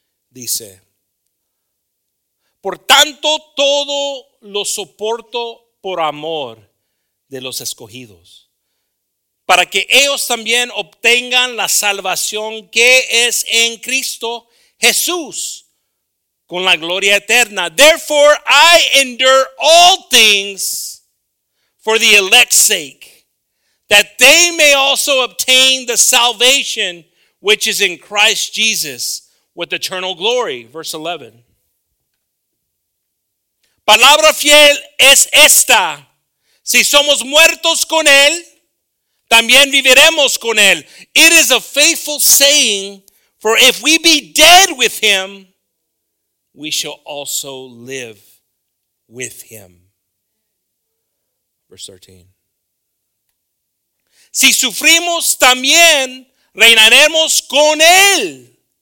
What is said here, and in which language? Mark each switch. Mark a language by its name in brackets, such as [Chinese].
[Spanish] dice, por tanto todo lo soporto por amor de los escogidos, para que ellos también obtengan la salvación que es en Cristo Jesús con la gloria eterna. [English] Therefore I endure all things for the elect's sake, that they may also obtain the salvation which is in Christ Jesus with eternal glory. Verse 11. [Spanish] Palabra fiel es esta. Si somos muertos con él, también viviremos con él. [English] It is a faithful saying, for if we be dead with him, we shall also live with him. Verse 13. [Spanish] Si sufrimos también, reinaremos con él.